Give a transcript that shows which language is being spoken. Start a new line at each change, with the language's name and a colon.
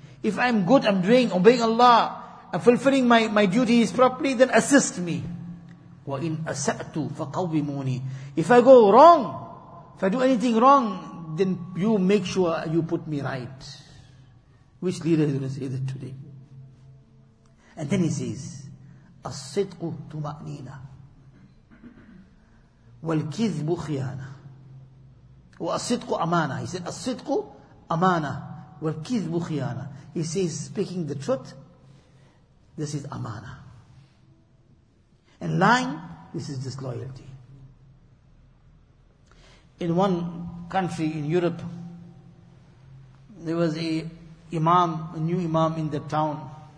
English: If I'm good, I'm doing, obeying Allah, I'm fulfilling my duties properly, then assist me.
Arabic: Wa in asa'tu faqawwimuni.
English: If I go wrong, if I do anything wrong, then you make sure you put me right. Which leader is going to say that today? And then he says,
Arabic: الصدق طمأنينة والكذب خيانة والصدق أمانة.
English: He said
Arabic: الصدق أمانة والكذب خيانة.
English: He says speaking the truth, this is أمانة, and lying, this is disloyalty. In one country in Europe, there was a new imam in the town.